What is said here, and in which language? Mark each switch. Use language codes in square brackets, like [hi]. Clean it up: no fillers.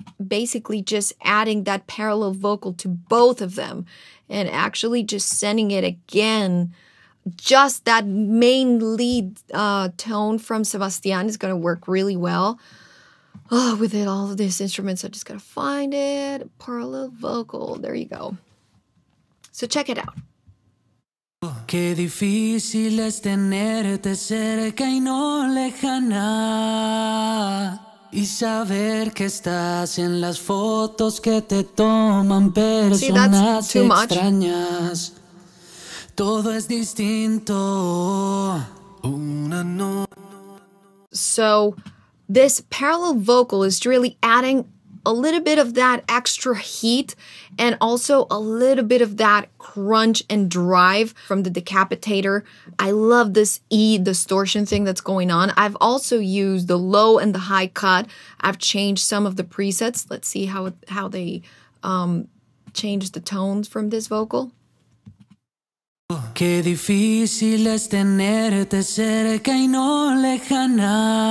[en] basically just adding that parallel vocal to both of them and actually just sending it again. Just that main lead tone from Sebastian is going to work really well. Oh, with it, all of these instruments, I just got to find it. Parallel vocal. There you go. So check it out. [es] Qué difícil es tenerte cerca y no lejana. Y saber que estás en las fotos que te toman personas extrañas. Todo es distinto. Una no. [en] So this parallel vocal is really adding a little bit of that extra heat and also a little bit of that crunch and drive from the decapitator. I love this E distortion thing that's going on. I've also used the low and the high cut. I've changed some of the presets. Let's see how they change the tones from this vocal. [es] Qué difícil es tenerte cerca y no lejana.